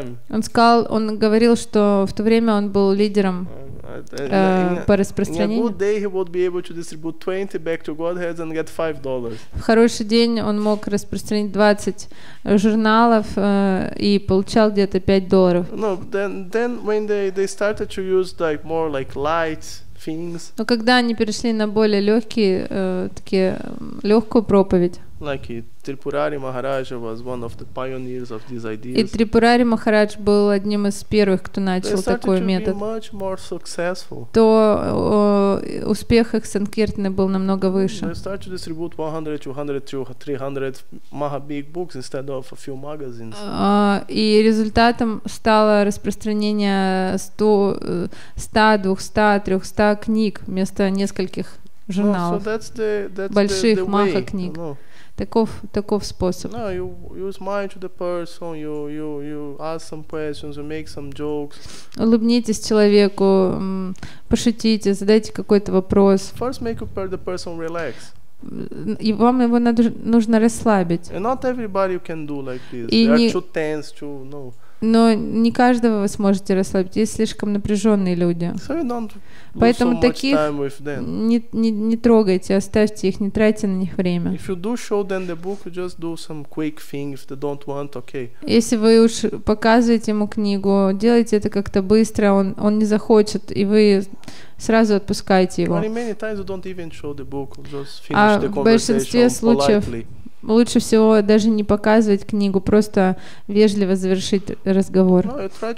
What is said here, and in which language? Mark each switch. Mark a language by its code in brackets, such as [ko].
[ru] Он сказал, он говорил, что в то время он был лидером по распространению. [en] Would be able to distribute 20 back to Godhead and get $5. [ru] В хороший день он мог распространить 20 журналов и получал где-то $5. [en] No, then when they started to use like more like light things. [ru] Но когда они перешли на более легкие такие легкую проповедь. [en] Like Tripurari Maharaj was one of the pioneers of these ideas. [ru] И Трипурари Махарадж был одним из первых, кто начал такой метод. [en] They started to be much more successful. [ru] То успех их санкиртны был намного выше. [en] They started to distribute 100, 200, 300 mega big books instead of a few magazines. [ru] И результатом стало распространение 100, 200, 300 книг вместо нескольких журналов. [en] So that's [ru] больших [en] the [ru] маха книг. Таков способ. [en] No, you smile to the person, you ask some questions, you make some jokes. [ru] Улыбнитесь человеку, пошутите, задайте какой-то вопрос. [en] First make the person relax. [ru] И вам его нужно расслабить. [en] And not everybody can do like this. They are too tense to know. [ru] Но не каждого вы сможете расслабить, есть слишком напряженные люди. [en] So you don't [ru] поэтому [en] so [ru] таких не трогайте, оставьте их, не тратьте на них время. [en] If you do show them the book, just do some quick thing. If they don't want, okay. [ru] Если вы уж показываете ему книгу, делайте это как-то быстро, он не захочет, и вы сразу отпускаете его. [en] Many, many times you don't even show the book, just finish [ru] а [en] the conversation [ru] в большинстве случаев [en] politely. [ru] Лучше всего даже не показывать книгу, просто вежливо завершить разговор.